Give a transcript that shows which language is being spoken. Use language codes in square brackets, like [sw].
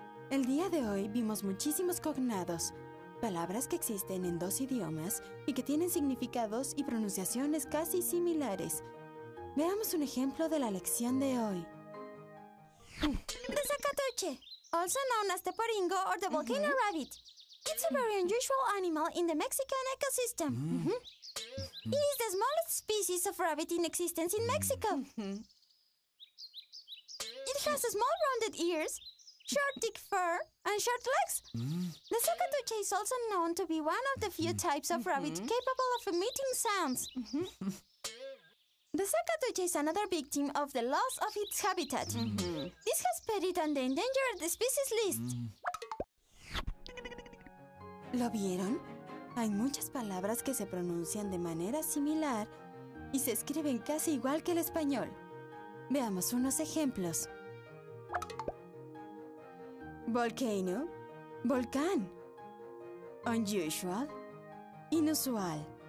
[es] El día de hoy vimos muchísimos cognados, palabras que existen en dos idiomas y que tienen significados y pronunciaciones casi similares. Veamos un ejemplo de la lección de hoy. [en] De Zacatuche, also known as Teporingo or the volcano rabbit. It's a very unusual animal in the Mexican ecosystem. It is the smallest species of rabbit in existence in Mexico. It has small rounded ears, short thick fur, and short legs. The Zacatuche is also known to be one of the few types of rabbit capable of emitting sounds. The Zacatuche is another victim of the loss of its habitat. This has put it on the endangered species list. [es] ¿Lo vieron? Hay muchas palabras que se pronuncian de manera similar y se escriben casi igual que el español. Veamos unos ejemplos. Volcano, volcán. Unusual, inusual.